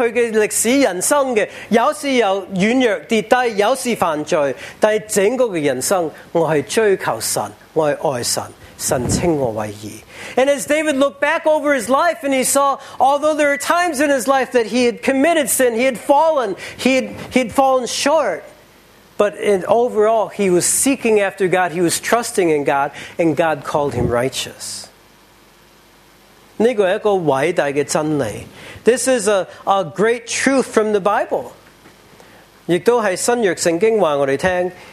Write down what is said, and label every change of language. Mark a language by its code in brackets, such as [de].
[zh] 虽然到晚年的时候,他看回过去的历史人生, 有时有软弱跌低,有时犯罪, 但整个的人生,我是追求神, 我是爱神. 神称我为义. [en] And as David looked back over his life and he saw, although there are times in his life that he had committed sin, he had fallen, he had fallen short, but in overall he was seeking after God, he was trusting in God, and God called him righteous. [zh] 这是一个伟大的真理. [en] This is a great truth from the Bible. [zh] 亦都是新约圣经告诉我们,